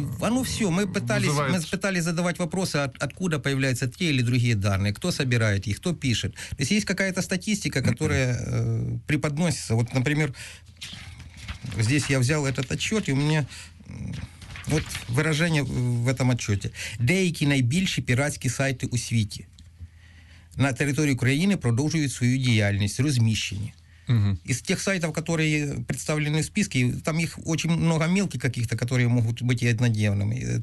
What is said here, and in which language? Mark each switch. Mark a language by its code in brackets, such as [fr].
[ru] Ну все, мы пытались задавать вопросы, откуда появляются те или другие данные, кто собирает их, кто пишет. То есть есть какая-то статистика, которая преподносится. Вот, например, здесь я взял этот отчет, и у меня вот выражение в этом отчете. [uk] Деякі найбільші піратські сайти у світі на території України продовжують свою діяльність, розміщення. [ru] Из тех сайтов, которые представлены в списке, там их очень много мелких каких-то, которые могут быть и однодневными.